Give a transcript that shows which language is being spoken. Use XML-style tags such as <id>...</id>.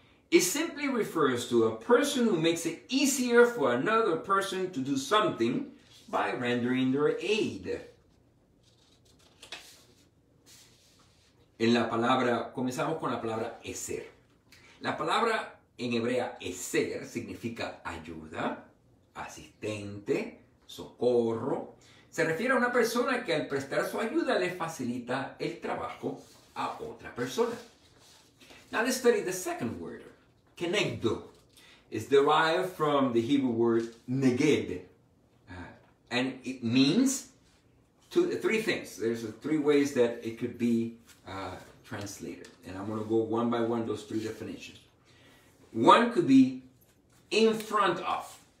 <en>It simply refers to a person who makes it easier for another person to do something by rendering their aid.</en> <es>En la palabra, comenzamos con la palabra eser. La palabra en hebrea eser significa ayuda, asistente, socorro. Se refiere a una persona que al prestar su ayuda le facilita el trabajo a otra persona.</es> <en>Now let's study the second word. Kenegdo is derived from the Hebrew word neged. And it means three things. There's three ways that it could be translated. And I'm going to go one by one those three definitions. One could be in front of.</en>